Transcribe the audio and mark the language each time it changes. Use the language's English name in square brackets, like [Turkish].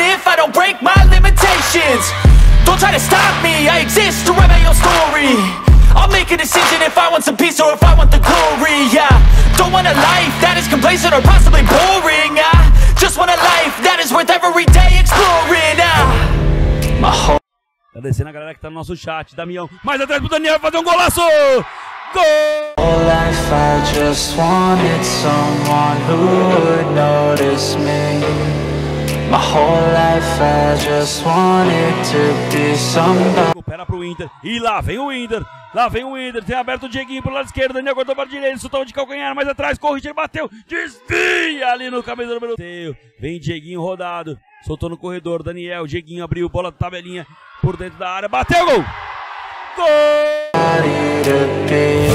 [English] If I don't break my limitations, don't try to stop me, I exist to write my own story. I'll make a decision if I want some peace or if I want the glory, yeah. Don't want a life that is complacent or possibly boring, yeah. Just want a life that is worth every day exploring, yeah. [Portuguese] Agradecendo a galera que tá no nosso chat, Damião, mais atrás pro Daniel, vai fazer um golaço! Gol! [English] All life I just wanted someone who would notice me. My whole life I just wanted to be somebody. [Portuguese] Recupera pro Inter, e lá vem o Inter. Lá vem o Inter, tem aberto o Dieguinho pro lado esquerdo. Daniel cortou para a direita, soltou de calcanhar mais atrás, Correcher bateu, desvia ali no camisa número 3. Vem Dieguinho rodado, soltou no corredor. Daniel, Dieguinho abriu, bola tabelinha por dentro da área, bateu, gol! Gol!